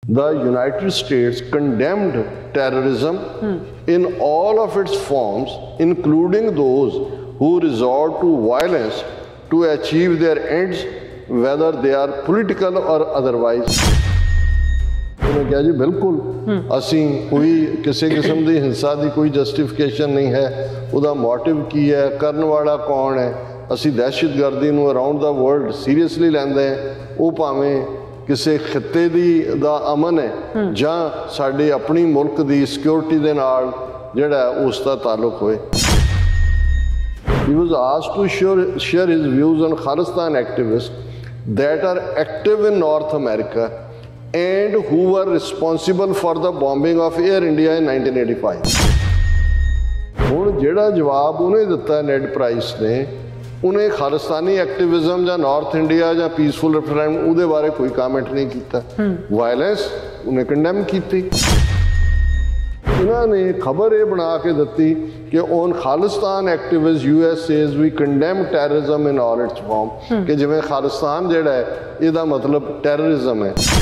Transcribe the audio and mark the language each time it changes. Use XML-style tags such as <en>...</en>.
<en>The United States condemned terrorism in all of its forms, including those who resort to violence to achieve their ends, whether they are political or otherwise.</en> <pa>ਉਹਨੇ ਕਿਹਾ ਜੀ ਬਿਲਕੁਲ ਅਸੀਂ ਕੋਈ ਕਿਸੇ ਕਿਸਮ ਦੀ ਹਿੰਸਾ ਦੀ ਕੋਈ ਜਸਟੀਫਿਕੇਸ਼ਨ ਨਹੀਂ ਹੈ, ਉਹਦਾ ਮੋਟਿਵ ਕੀ ਹੈ, ਕਰਨ ਵਾਲਾ ਕੌਣ ਹੈ, ਅਸੀਂ ਦਹਿਸ਼ਤਗਰਦੀ ਨੂੰ</pa> <en>around the world seriously</en> <pa>ਲੈਂਦੇ ਹਾਂ, ਉਹ ਭਾਵੇਂ ਕਿਸੇ ਖਿੱਤੇ ਦੀ ਦਾ ਅਮਨ ਹੈ ਜਾਂ ਸਾਡੇ ਆਪਣੀ ਮੁਲਕ ਦੀ ਸਿਕਿਉਰਿਟੀ ਦੇ ਨਾਲ ਜਿਹੜਾ ਉਸ ਦਾ ਤਾਲੁਕ ਹੋਏ.</pa> <en>He was asked to share his views on Khalistan activists that are active in North America and who were responsible for the bombing of Air India in 1985.</en> <pa>ਹੁਣ ਜਿਹੜਾ ਜਵਾਬ ਉਹਨੇ ਦਿੱਤਾ ਨੈਡ ਪ੍ਰਾਈਸ ਨੇ, ਉਹਨੇ ਖਾਲਿਸਤਾਨੀ ਐਕਟਿਵਿਜ਼ਮ ਜਾਂ ਨਾਰਥ ਇੰਡੀਆ ਜਾਂ peaceful referendum ਉਹਦੇ ਬਾਰੇ ਕੋਈ ਕਮੈਂਟ ਨਹੀਂ ਕੀਤਾ. ਵਾਇਲੈਂਸ ਉਹਨੇ ਕੰਡੈਮ ਕੀਤੀ. ਉਹਨਾਂ ਨੇ ਖਬਰ ਇਹ ਬਣਾ ਕੇ ਦਿੱਤੀ ਕਿ</pa> <en>on Khalistan activist USA's we condemn terrorism in all its form,</en> <pa>ਕਿ ਜਿਵੇਂ ਖਾਲਿਸਤਾਨ ਜਿਹੜਾ ਇਹਦਾ ਮਤਲਬ ਟੈਰਰਿਜ਼ਮ ਹੈ.</pa>